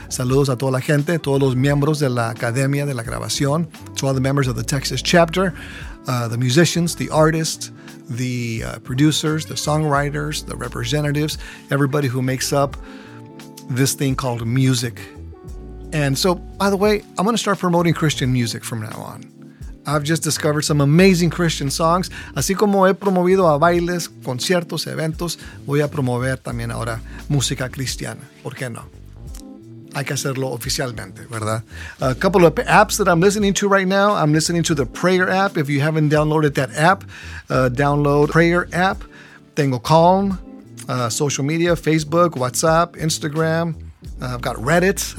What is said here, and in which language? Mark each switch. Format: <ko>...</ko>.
<es>Saludos a toda la gente, todos los miembros de la Academia de la Grabación,</es> <en>to all the members of the Texas chapter, the musicians, the artists, the producers, the songwriters, the representatives, everybody who makes up this thing called music. And so, by the way, I'm going to start promoting Christian music from now on. I've just discovered some amazing Christian songs.</en> <es>Así como he promovido a bailes, conciertos, eventos, voy a promover también ahora música cristiana. ¿Por qué no? Hay que hacerlo oficialmente, ¿verdad?</es> <en>A couple of apps that I'm listening to right now. I'm listening to the Prayer app. If you haven't downloaded that app, download Prayer app. Tengo Calm, social media, Facebook, WhatsApp, Instagram, I've got Reddit.</en>